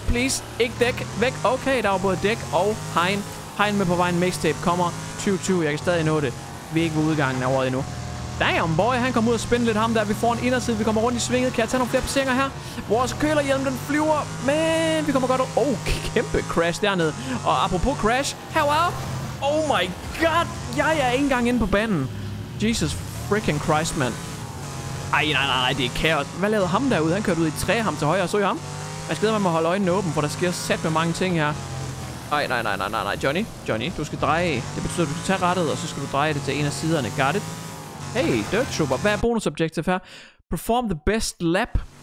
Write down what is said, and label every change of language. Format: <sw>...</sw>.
<da>Please, ikke dæk væk. Okay, der var både dæk og hegn. Hegn med på vejen, mixtape kommer. 2020, jeg kan stadig nå det. Vi er ikke ved udgangen af året endnu. Damn boy, han kommer ud og spinde lidt ham der. Vi får en inderside, vi kommer rundt i svinget. Kan jeg tage nogle flere placeringer her? Vores kølerhjelm, den flyver. Men vi kommer godt ud. Oh, kæmpe crash dernede. Og apropos crash, how are you?</da> <en>Oh my god.</en> <da>Jeg er ikke engang inde på banen.</da> <en>Jesus freaking Christ, mand.</en> <da>Ej, nej, nej, nej, det er kaos. Hvad lavede ham derude? Han kørte ud i træ ham til højre. Så I ham? Jeg skal med at holde øjnene åben, for der sker sat med mange ting her. Ej, nej, nej, nej, nej, nej. Johnny, Johnny, du skal dreje. Det betyder, at du skal tage rattet, og så skal du dreje det til en af siderne.</da> <en>Got it? Hey, Dirt Trooper, hvad er bonusobjective her? Perform the best lap.</en>